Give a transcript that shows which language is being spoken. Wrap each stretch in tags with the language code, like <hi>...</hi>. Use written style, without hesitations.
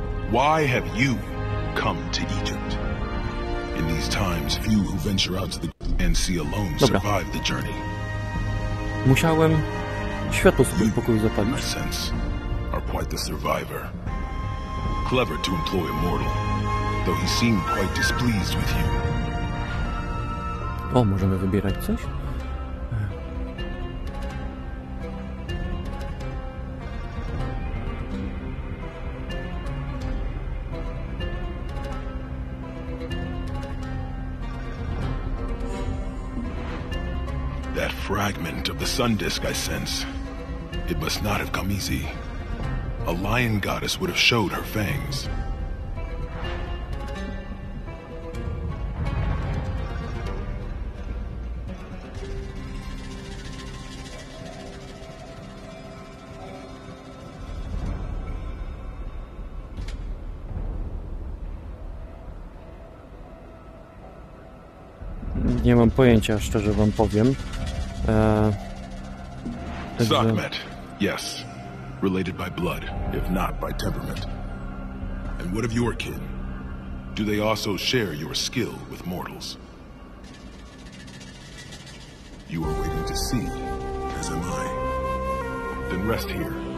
<en>Why have you come to Egypt? In these times, few who venture out to the and see alone survive the journey.</en> <pl>Musiałem światło sobie w pokoju zapalić.</pl> <en>Are quite the survivor. Clever to employ a mortal, though he seemed quite displeased with you.</en> <pl>O, możemy wybierać coś?</pl> <en>That fragment of the sun disk I sense. It must not have come easy. A lion goddess would have showed her fangs.</en> <pl>Nie mam pojęcia, szczerze wam powiem.</pl> <en>Sakmet, yes. Related by blood, if not by temperament. And what of your kin? Do they also share your skill with mortals? You are waiting to see, as am I. Then rest here.</en>